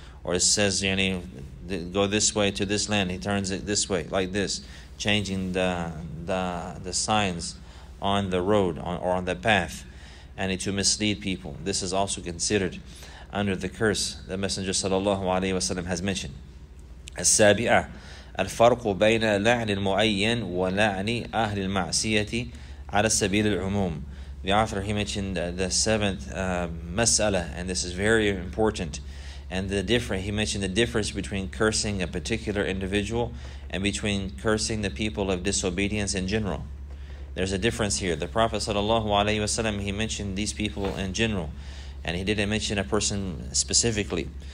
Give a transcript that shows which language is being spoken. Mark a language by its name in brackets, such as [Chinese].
[English] Or it says, you know, go this way to this land, he turns it this way, like this. Changing the signs on the road or on the path, and to mislead people. This is also considered under the curse the Messenger sallallahu alaihi wasallam has mentioned. [Arabic] السابعة الفرق بين لعن المؤين ولعن أهل المعصية على سبيل العموم. [English] The author, he mentioned the seventh mas'ala, and this is very important. And he mentioned the difference between cursing a particular individual and between cursing the people of disobedience in general. There's a difference here. The Prophet sallallahu alaihi wasallam, he mentioned these people in general, and he didn't mention a person specifically.